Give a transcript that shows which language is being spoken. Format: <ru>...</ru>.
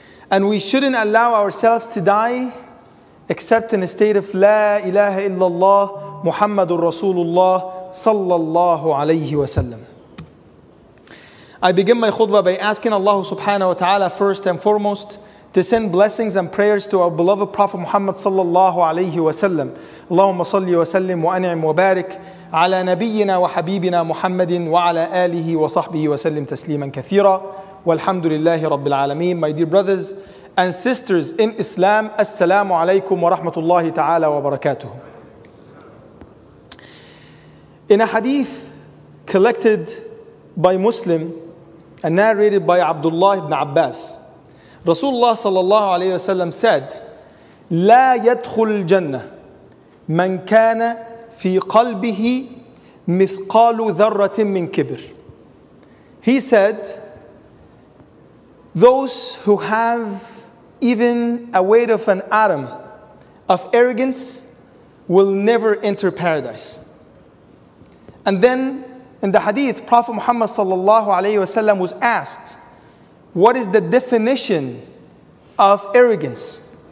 <en>And we shouldn't allow ourselves to die except in a state of La ilaha illallah Muhammadur Rasulullah sallallahu alayhi wa sallam. I begin my khutbah by asking Allah subhanahu wa ta'ala first and foremost to send blessings and prayers to our beloved Prophet Muhammad sallallahu alayhi wa sallam.</en> <ar>اللهم صل وسلم وأنعم وبارك على نبينا وحبيبنا محمد وعلى آله وصحبه وسلم تسليما كثيرا والحمد لله رب العالمين.</ar> <en>My dear brothers and sisters in Islam,</en> <ar>السلام عليكم ورحمة الله تعالى وبركاته.</ar> <en>In a hadith collected by Muslim and narrated by Abdullah ibn Abbas, Rasulullah</en> <ar>صلى الله عليه وسلم</ar> <en>said,</en> <ar>لا يدخل الجنة من كان في قلبه مثقال ذرة من كبر.</ar> <en>He said, those who have even a weight of an atom of arrogance will never enter paradise. And then in the hadith, Prophet Muhammad sallallahu alayhi wa sallam was asked, what is the definition of arrogance?</en>